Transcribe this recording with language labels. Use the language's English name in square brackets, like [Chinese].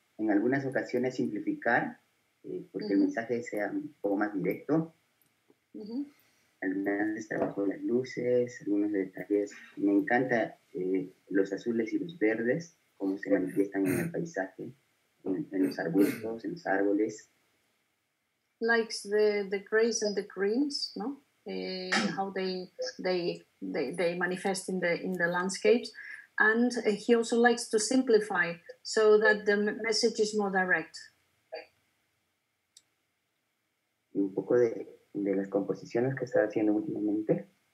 [Spanish] en algunas ocasiones simplificar porque el mensaje sea un poco más directo. Algunas veces trabajo las luces, algunos detalles. Me encanta los azules y los verdes, cómo se manifiestan en el paisaje, en los arbustos, en los árboles. [English] Likes the grays and the greens, no? How they manifest in the landscapes, and he also likes to simplify so that the message is more direct. [Spanish] Y un poco de las composiciones que está haciendo últimamente.